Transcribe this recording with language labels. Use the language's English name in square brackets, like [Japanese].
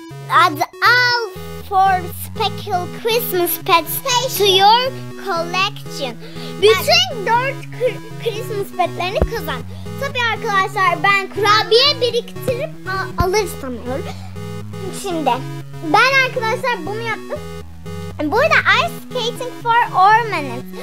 [English] Add all for special Christmas pets to your collection. [Turkish] Bütün 4 Christmas petlerini kazan. Tabii arkadaşlar, ben kurabiye biriktirip alır sanıyorum. Şimdi ben arkadaşlar bunu yaptım. Bu arada [English] ice skating for ornaments.